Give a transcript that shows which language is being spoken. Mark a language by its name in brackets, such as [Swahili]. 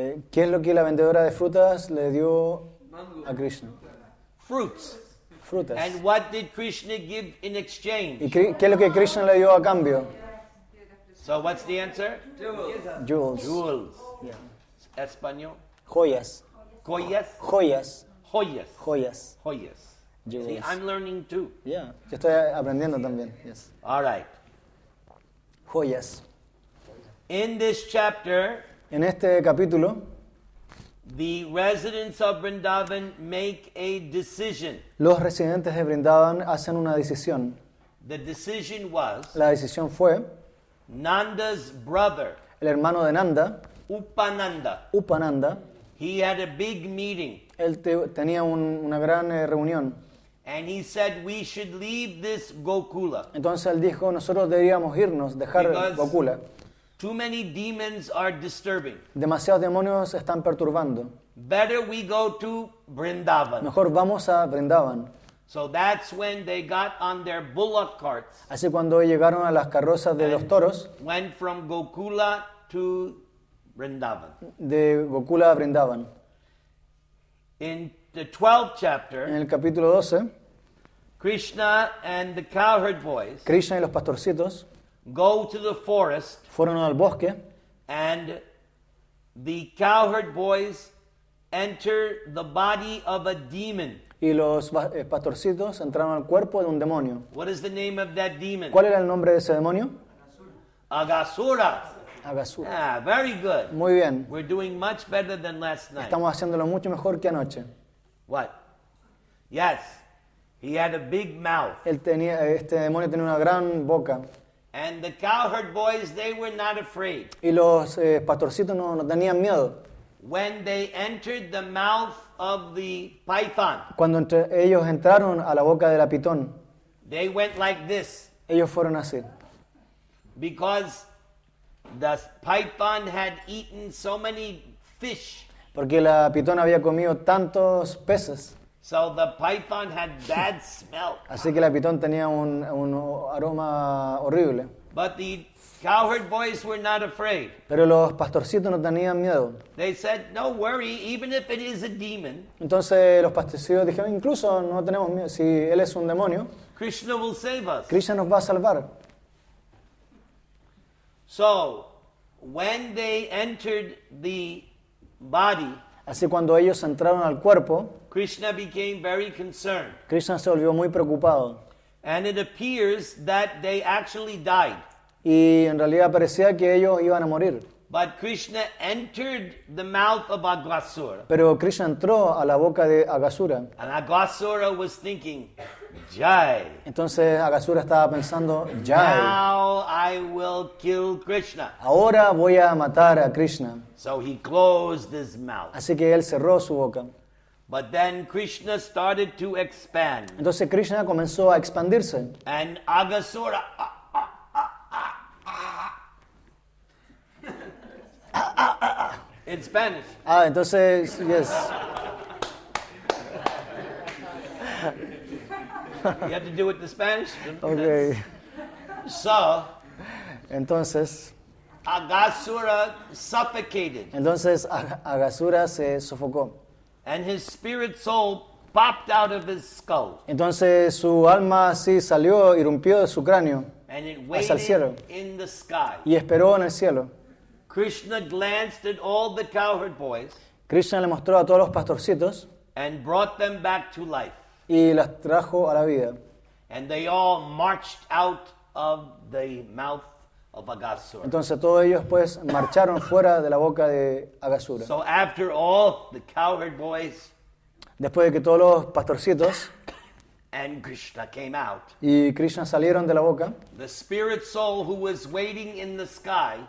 [Spanish] ¿Qué es lo que la vendedora de frutas le dio a Krishna? [English] Fruits. [Spanish] Frutas. [English] And what did Krishna give in exchange? [Spanish] ¿Qué es lo que Krishna le dio a cambio? [English] So what's the answer? Jewels. Jewels. Yeah. Español. [Spanish] Joyas. Joyas. Joyas. Joyas. Joyas. Joyas. [English] Jewels. See, I'm learning too. Yeah. [Spanish] Yo estoy aprendiendo también. [English] Yes. All right. [Spanish] Joyas. [English] In this chapter. [Spanish] En este capítulo. [English] The residents of Vrindavan make a decision. [Spanish] Los residentes de Vrindavan hacen una decisión. [English] The decision was. [Spanish] La decisión fue. [English] Nanda's brother. [Spanish] El hermano de Nanda. Upananda. Upananda. [English] He had a big meeting. [Spanish] Él tenía una gran reunión. [English] And he said we should leave this Gokula. [Spanish] Entonces él dijo nosotros deberíamos irnos, dejar [English] because Gokula. Too many demons are disturbing. [Spanish] Demasiados demonios están perturbando. [English] Better we go to Vrindavan. [Spanish] Mejor vamos a Vrindavan. [English] So that's when they got on their bullock carts. [Spanish] Así cuando llegaron a las carrozas de los toros. [English] Went from Gokula to Vrindavan. [Spanish] De Gokula a Vrindavan. [English] In the 12th chapter. [Spanish] En el capítulo 12. [English] Krishna and the cowherd boys. [Spanish] Krishna y los pastorcitos. [English] Go to the forest. [Spanish] Fueron al bosque. [English] And the cowherd boys enter the body of a demon. [Spanish] Y los pastorcitos entraron al cuerpo de un demonio. [English] What is the name of that demon? [Spanish] ¿Cuál era el nombre de ese demonio? Agasura. Agasura. [English] Ah, very good. [Spanish] Muy bien. [English] We're doing much better than last night. [Spanish] Estamos haciéndolo mucho mejor que anoche. [English] What? Yes. He had a big mouth. [Spanish] Este demonio tenía una gran boca. [English] And the cowherd boys, they were not afraid. [Spanish] Y los pastorcitos no tenían miedo. [English] When they entered the mouth of the python. [Spanish] Cuando ellos entraron a la boca de la pitón. [English] They went like this. [Spanish] Ellos fueron así. [English] Because the python had eaten so many fish. [Spanish] Porque la pitón había comido tantos peces. [English] So the python had bad smell. [Spanish] Así que la pitón tenía un aroma horrible. [English] But the cowherd boys were not afraid. [Spanish] Pero los pastorcitos no tenían miedo. [English] They said, "No worry, even if it is a demon." [Spanish] Entonces los pastorcitos dijeron, incluso no tenemos miedo si él es un demonio. [English] Krishna will save us. [Spanish] Krishna nos va a salvar. [English] So, when they entered the body, [Spanish] así cuando ellos entraron al cuerpo, [English] Krishna became very concerned. [Spanish] Krishna se volvió muy preocupado. [English] And it appears that they actually died. [Spanish] Y en realidad parecía que ellos iban a morir. [English] But Krishna entered the mouth of Agasura. [Spanish] Pero Krishna entró a la boca de Agasura. [English] And Agasura was thinking, Jai. [Spanish] Entonces Agasura estaba pensando, Jai. [English] Now I will kill Krishna. [Spanish] Ahora voy a matar a Krishna. [English] So he closed his mouth. [Spanish] Así que él cerró su boca. [English] But then Krishna started to expand. [Spanish] Entonces Krishna comenzó a expandirse. [English] And Agasura... in Spanish. Ah, [Spanish] entonces, [English] yes. You have to do it in Spanish. Okay. So, [Spanish] entonces, [English] Agasura suffocated. [Spanish] Entonces, Agasura se sofocó. [English] And his spirit soul popped out of his skull. [Spanish] Entonces, su alma así salió, irrumpió de su cráneo. [English] And it waited in the sky. [Spanish] Y esperó en el cielo. [English] Krishna glanced at all the cowherd boys. [Spanish] Krishna le mostró a todos los pastorcitos. [English] And brought them back to life. [Spanish] Y las trajo a la vida. [English] And they all marched out of the mouth of Agasura. [Spanish] Entonces todos ellos pues marcharon fuera de la boca de Agasura. [English] So after all the cowherd boys. [Spanish] Después de que todos los pastorcitos. [English] And Krishna came out. [Spanish] Y Krishna salieron de la boca. [English] The spirit soul who was waiting in the sky.